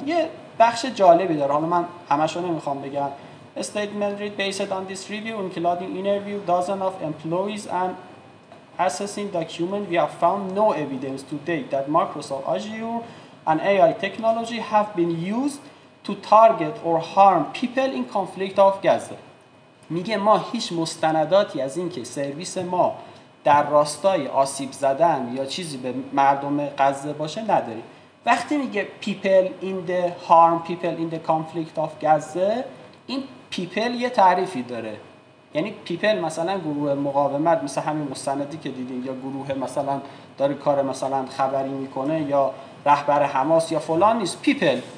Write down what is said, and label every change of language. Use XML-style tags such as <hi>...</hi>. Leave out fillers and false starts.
<fa>یه بخش جالبی داره، حالا من همه‌شو نمیخوام بگم.</fa> <en>Statement read based on this review including interview dozens of employees and assessing document we have found no evidence to date that Microsoft Azure and AI technology have been used to target or harm people in conflict of Gaza.</en> <fa>میگه ما هیچ مستنداتی از این که سرویس ما در راستای آسیب زدن یا چیزی به مردم غزه باشه نداریم. وقتی میگه</fa> <en>people in the harm, people in the conflict of Gaza،</en> <fa>این people یه تعریفی داره، یعنی پیپل مثلا گروه مقاومت مثل همین مستندی که دیدین، یا گروه مثلا داره کار مثلا خبری میکنه، یا رهبر حماس یا فلان نیست، پیپل.</fa>